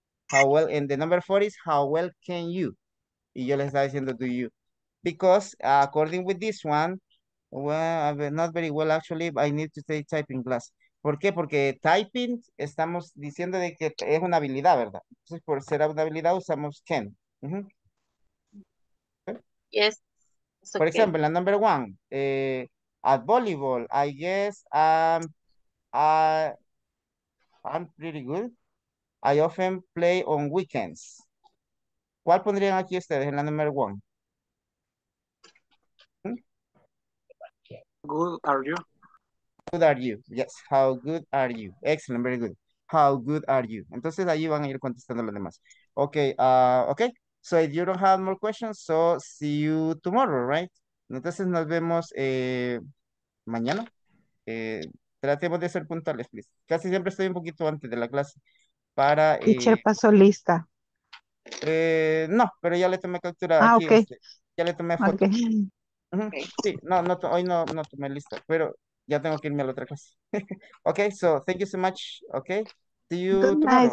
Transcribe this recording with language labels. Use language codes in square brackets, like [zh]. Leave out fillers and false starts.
[en] How well, and the number four is, how well can you? [es] Y yo les estaba diciendo, [en] do you? Because according with this one, well, not very well actually, but I need to take typing class. [es] ¿Por qué? Porque typing, estamos diciendo de que es una habilidad, ¿verdad? Entonces, por ser una habilidad, usamos can. Uh-huh. [en] Okay. Yes. Okay. For example, la number one, at volleyball, I guess I'm pretty good. I often play on weekends. [es] ¿Cuál pondrían aquí ustedes en la number one? [en] Good are you. Good are you. Yes. How good are you? Excellent. Very good. How good are you? [es] Entonces ahí van a ir contestando los demás. [en] Okay. Okay. So if you don't have more questions, so see you tomorrow, right? [es] Entonces nos vemos mañana. Tratemos de ser puntuales, [en] please. [es] Casi siempre estoy un poquito antes de la clase. Para, teacher, pasó lista. No, pero ya le tomé captura. Ah, aquí, okay. Ya le tomé foto. Okay. Sí, no tomé lista, pero ya tengo que irme a la otra clase. [en] Okay, so thank you so much. Okay, see you tomorrow.